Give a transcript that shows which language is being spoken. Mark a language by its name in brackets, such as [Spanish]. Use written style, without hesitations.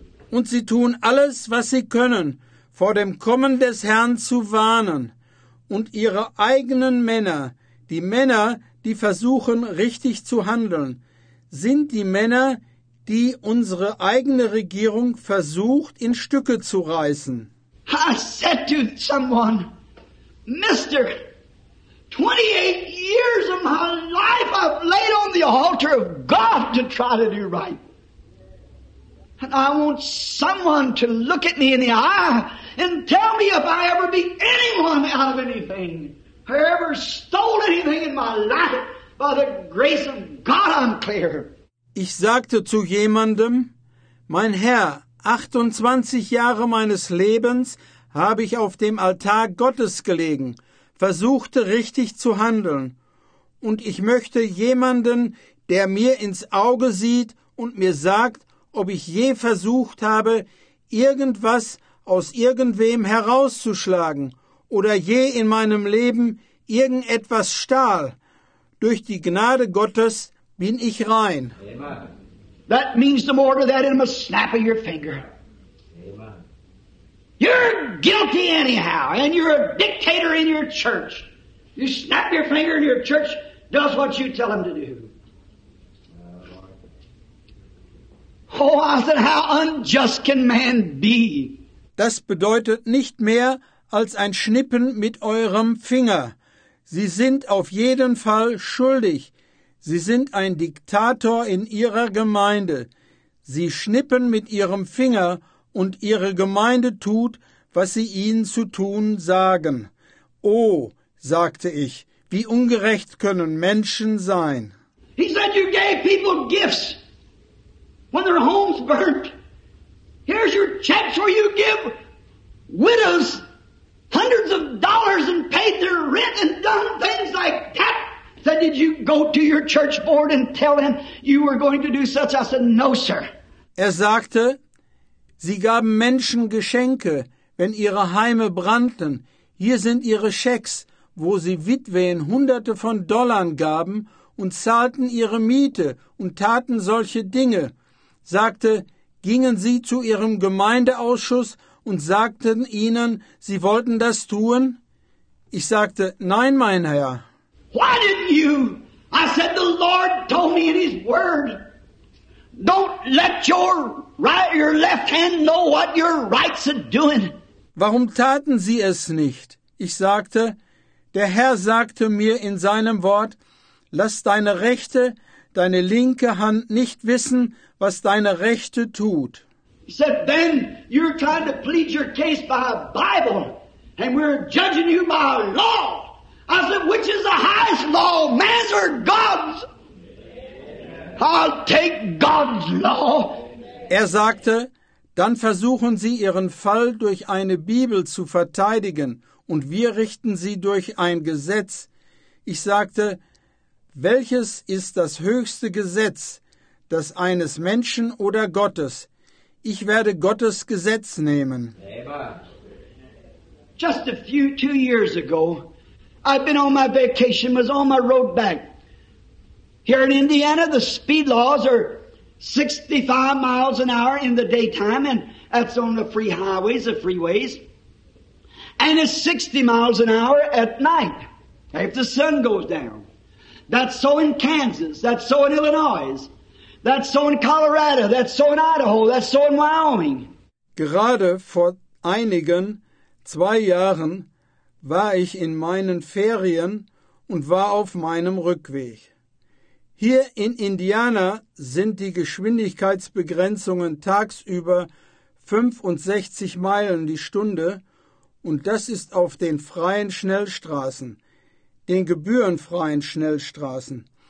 [German] Und sie tun alles, was sie können, vor dem Kommen des Herrn zu warnen. Und ihre eigenen Männer, die Männer, die versuchen, richtig zu handeln, sind die Männer, die unsere eigene Regierung versucht, in Stücke zu reißen. [English] I said to someone, Mister, 28 years of my life I've laid on the altar of God to try to do right. And I want someone to look at me in the eye and tell me if I ever beat anyone out of anything or ever stole anything in my life. By the grace of God, I'm clear. [German] Ich sagte zu jemandem, mein Herr, 28 Jahre meines Lebens habe ich auf dem Altar Gottes gelegen, versuchte richtig zu handeln. Und ich möchte jemanden, der mir ins Auge sieht und mir sagt, ob ich je versucht habe, irgendwas aus irgendwem herauszuschlagen oder je in meinem Leben irgendetwas stahl. Durch die Gnade Gottes bin ich rein. Amen. [English] That means to order that in a snap of your finger. Amen. You're guilty anyhow, and you're a dictator in your church. You snap your finger and your church does what you tell them to do. Oh, I said, how unjust can man be? [German] Das bedeutet nicht mehr als ein Schnippen mit eurem Finger. Sie sind auf jeden Fall schuldig. Sie sind ein Diktator in ihrer Gemeinde. Sie schnippen mit ihrem Finger und ihre Gemeinde tut, was sie ihnen zu tun sagen. Oh, sagte ich, wie ungerecht können Menschen sein. [English] He said you gave people gifts when their homes burnt. Here's your checks where you give widows hundreds of dollars and paid their rent and done things like that. Said, did you go to your church board and tell them you were going to do such? I said, no, sir. [German] Er sagte, sie gaben Menschen Geschenke, wenn ihre Heime brannten. Hier sind ihre Schecks, wo sie Witwen hunderte von Dollar gaben und zahlten ihre Miete und taten solche Dinge. Sagte, gingen sie zu ihrem Gemeindeausschuss und sagten ihnen, sie wollten das tun? Ich sagte, nein, mein Herr. [English] Why didn't you? I said, the Lord told me in his word, don't let your left hand know what your rights are doing. [German] Warum taten sie es nicht? Ich sagte, der Herr sagte mir in seinem Wort, lass deine rechte, deine linke Hand nicht wissen, was deine rechte tut. [English] He said, then you're trying to plead your case by a Bible, and we're judging you by a law. I said, which is the highest law, man's or God's? I'll take God's law. [German] Er sagte, dann versuchen Sie Ihren Fall durch eine Bibel zu verteidigen und wir richten Sie durch ein Gesetz. Ich sagte, welches ist das höchste Gesetz, das eines Menschen oder Gottes? Ich werde Gottes Gesetz nehmen. [English] Just a few, 2 years ago, I'd been on my vacation, was on my road back. Here in Indiana, the speed laws are 65 miles an hour in the daytime, and that's on the free highways, the freeways. And it's 60 miles an hour at night, if the sun goes down. That's so in Kansas, that's so in Illinois. That's so in Colorado, that's so in Idaho, that's so in Wyoming. [German] Gerade vor einigen 2 Jahren war ich in meinen Ferien und war auf meinem Rückweg. Hier in Indiana sind die Geschwindigkeitsbegrenzungen tagsüber 65 Meilen die Stunde und das ist auf den freien Schnellstraßen, den gebührenfreien Schnellstraßen.